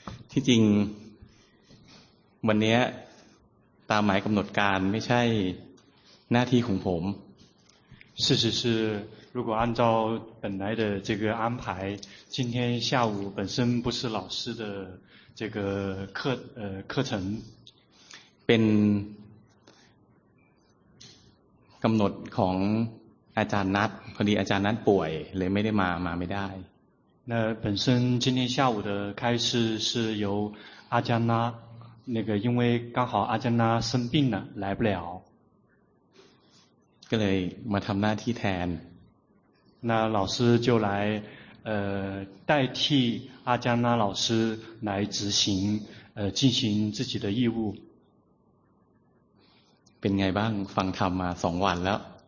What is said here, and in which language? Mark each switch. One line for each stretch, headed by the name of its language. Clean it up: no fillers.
Thai: ที่จริงวันนี้ตามหมายกำหนดการไม่ใช่หน้าที่ของผม
Chinese: 事实是如果按照本来的这个安排今天下午本身不是老师的这个 课程
Thai: เป็นกำหนดของอาจารย์นัทพอดีอาจารย์นัทป่วยเลยไม่ได้มาไม่ได้
Chinese: 那本身今天下午的开示是由阿江拉那个因为刚好阿江拉生病了来不了
Thai: ก็เลยมาทำหน้าที่แทน
Chinese: 那老师就来代替阿江拉老师来执行进行自己的义务
Thai: เป็นไงบ้างฟังธรรมมา2วันแล้ว